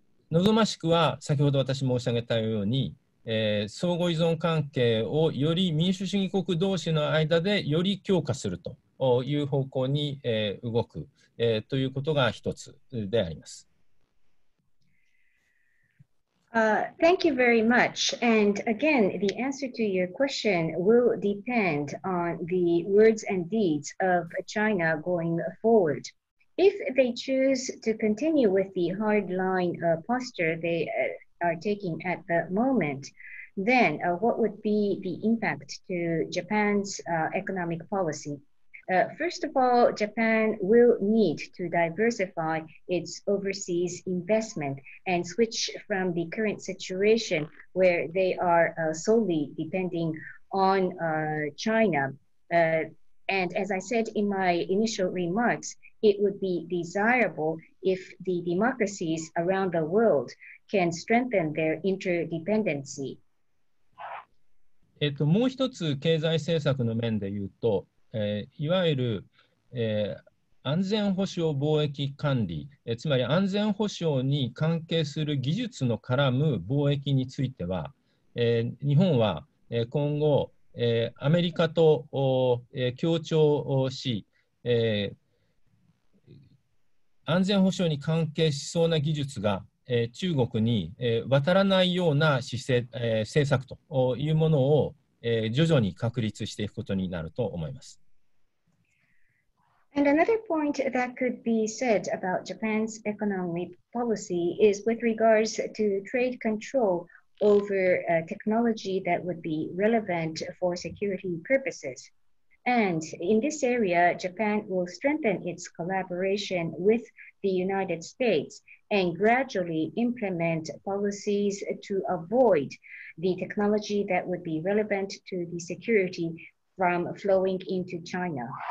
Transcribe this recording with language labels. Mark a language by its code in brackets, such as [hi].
[ja] 望ましくは先ほど私申し上げたように、相互依存関係をより民主主義国同士の間でより強化するという方向に、動く。ということが一つであります。 [en] Thank you very much. And again, the answer to your question will depend on the words and deeds of China going forward. If they choose to continue with the hard line posture they are taking at the moment, then what would be the impact to Japan's economic policy? First of all, Japan will need to diversify its overseas investment and switch from the current situation where they are solely depending on China. And as I said in my initial remarks, it would be desirable if the democracies around the world can strengthen their interdependency. [ja] もう一つ経済政策の面で言うと、いわゆる、安全保障貿易管理、つまり安全保障に関係する技術の絡む貿易については、日本は、今後、アメリカと、協調をし、安全保障に関係しそうな技術が、中国に、渡らないような姿勢、政策というものを、徐々に確立していくことになると思います。 [en] And another point that could be said about Japan's economic policy is with regards to trade control over technology that would be relevant for security purposes. And in this area, Japan will strengthen its collaboration with the United States and gradually implement policies to avoid the technology that would be relevant to the security from flowing into China.